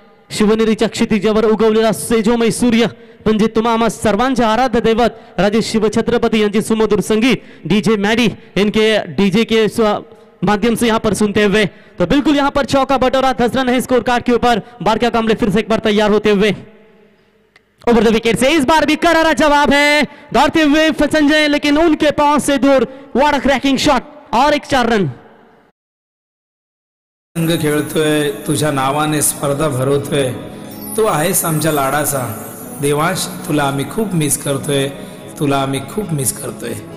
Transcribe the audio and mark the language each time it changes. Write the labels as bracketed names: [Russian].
[Marathi] शिवनेरीच्या क्षितिजावर उगवलेला सेजोमय सूर्य म्हणजे तुम्हाला सर्वांचे आराध्य दैवत राजे शिव छत्रपती यांचे सुमधुर संगीत डीजे मॅडी [Hindi] इनके डीजे के माध्यम से यहां पर सुनते हुए। तो बिल्कुल यहां पर चौका बटोरा, 10 रन है स्कोर कार्ड के ऊपर, बार क्या कामले फिर से एक बार तैयार होते हुए ओवर द विकेट से। इस बार भी करारा जवाब है दौड़ते हुए संजय, लेकिन उनके पास से दूर वाड़ा क्रैकिंग शॉट और 1-4 रन। [Marathi] रंग खेळतोय तुझ्या नावाने स्पर्धा भरवतोय, तू आहेस आमच्या लाडाचा देवांश, तुला आम्ही खूप मिस करतोय, तुला आम्ही खूप मिस करतोय।